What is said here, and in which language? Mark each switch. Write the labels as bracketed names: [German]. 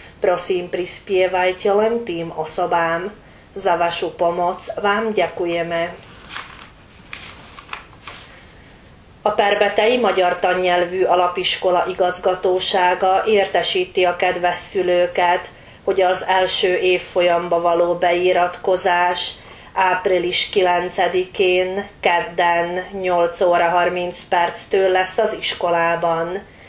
[Slovak] Prosím, prispievajte len tým osobám. Za vašu pomoc vám ďakujeme. [Hungarian] A Perbetei Magyar Tannyelvű Alapiskola igazgatósága értesíti a kedves szülőket, hogy az első évfolyamba való beiratkozás április 9-én, kedden 8:30-től lesz az iskolában.